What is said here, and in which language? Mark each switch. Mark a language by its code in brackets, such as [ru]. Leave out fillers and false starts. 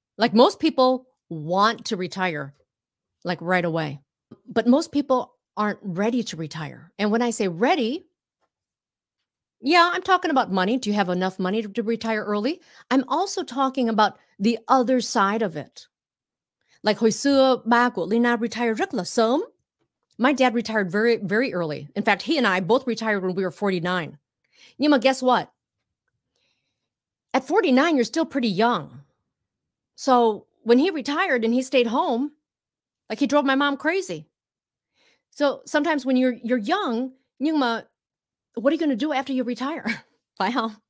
[en] Like, most people want to retire, like, right away. But most people aren't ready to retire. And when I say ready, yeah, I'm talking about money. Do you have enough money to retire early? I'm also talking about the other side of it. [vi] Like, hồi xưa, ba của Lina retired rất là sớm. [en] My dad retired very, very early. In fact, he and I both retired when we were 49. [vi] Nhưng mà [en] guess what? At 49, you're still pretty young. So when he retired and he stayed home, like, he drove my mom crazy. So sometimes when you're young, [vi] nhưng mà [en] what are you going to do after you retire? Bye, huh?